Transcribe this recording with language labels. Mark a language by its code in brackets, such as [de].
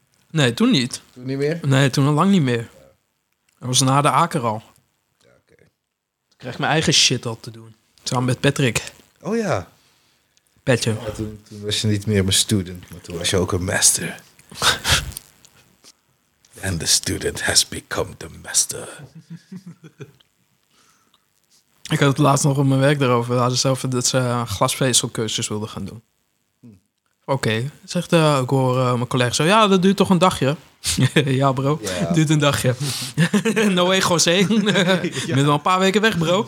[nl] Nee, toen niet. Toen niet meer? Nee, toen al lang niet meer. Dat was na de Aker al. Ja, oké. [en] Okay. [nl] Kreeg mijn eigen shit al te doen. Samen met Patrick. Oh ja. Petje. Ja, toen was je niet meer mijn student, maar toen was je ook een master. [en] And the student has become the master. [nl] Ik had het laatst nog op mijn werk erover. We hadden zelf dat ze glasvezelcursus wilden gaan doen. Oké. Okay. Zegt ik hoor mijn collega zo, ja, dat duurt toch een dagje? Ja, bro. Yeah. Duurt een dagje. [en] No way, José. [nl] Je bent al een paar weken weg, bro.